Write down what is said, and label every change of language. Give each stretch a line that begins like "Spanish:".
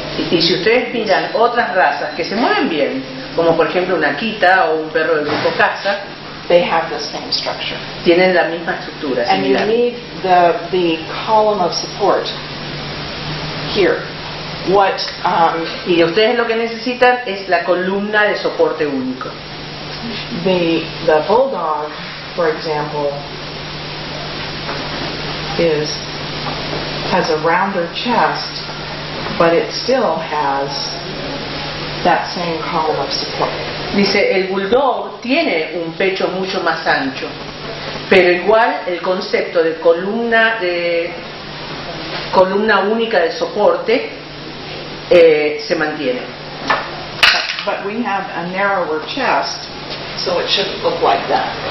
Spanish: Y si ustedes miran otras razas que se mueven bien, como por ejemplo una Akita o un perro del grupo caza,
English: they have the same structure.
Spanish: Tienen la misma estructura.
English: And you need the column of support here. What
Spanish: y ustedes lo que necesitan es la columna de soporte único.
English: The bulldog, for example, has a rounder chest, but it still has that same column of support.
Spanish: Dice el bulldog tiene un pecho mucho más ancho, pero igual el concepto de columna única de soporte se mantiene.
English: But we have a narrower chest, so it shouldn't look like that.